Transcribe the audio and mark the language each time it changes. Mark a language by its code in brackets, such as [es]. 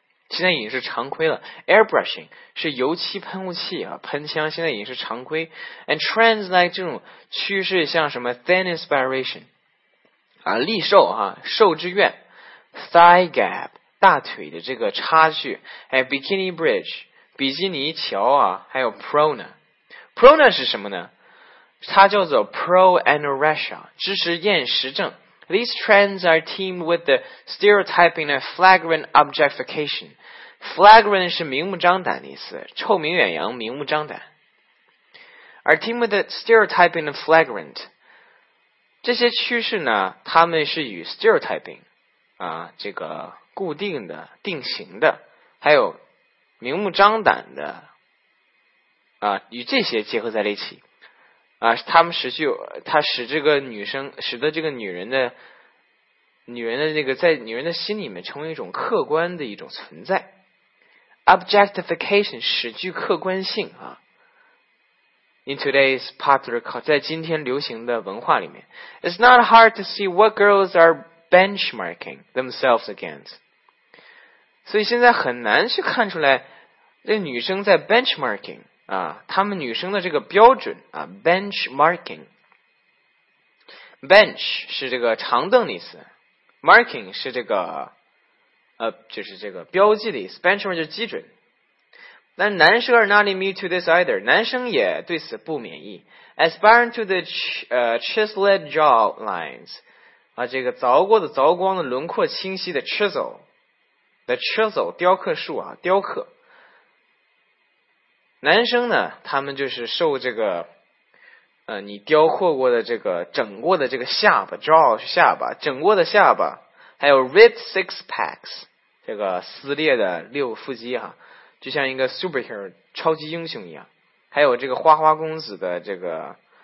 [zh] 现在已经是常规了, airbrushing 是油漆喷雾器啊, 喷枪现在已经是常规, [en] and trends like [zh] 这种趋势像什么 [en] thin inspiration, [zh] 啊, 立瘦啊, 瘦之愿, [en] thigh gap, [zh] 大腿的这个差距, [en] and bikini bridge, [zh] 比基尼桥啊, 还有 prona, prona 是什么呢? 它叫做 [en] pro-anorexia, [zh] 支持厌食症, [en] These trends are teamed with the stereotyping and flagrant objectification. [zh] Flagrant 是明目张胆的意思, 臭名远扬, 明目张胆。 [en] Are teamed with the stereotyping and flagrant. [zh] 这些趋势呢, 他们是与 stereotyping, 啊, 这个固定的, 定型的, 还有明目张胆的, 啊, 与这些结合在一起。他使这个女人的心里面成为一种客观的一种存在 Objectification 使具客观性啊 [en] in today's popular culture, [zh] 在今天流行的文化里面 [en] It's not hard to see what girls are benchmarking themselves against. [zh] 所以现在很难去看出来这女生在 benchmarking, 啊她们女生的这个标准啊 benchmarking。 Bench 是这个长凳的意思 ,marking 是这个就是这个标记的意思 ,benchmark 就是基准。但男生 [en] are not immune to this either, [zh] 男生也对此不免疫。 [en] Aspiring to the chiseled jaw lines, [zh] 啊这个凿过的凿光的轮廓清晰的 chisel, [en] the chisel, [zh] 雕刻术啊雕刻。男生呢他们就是受这个你雕刻过的这个整过的这个下巴 jaw 是下巴整过的下巴还有 [en] ripped six packs, [zh] 这个撕裂的六腹肌啊就像一个 superhero, 超级英雄一样还有这个花花公子的这个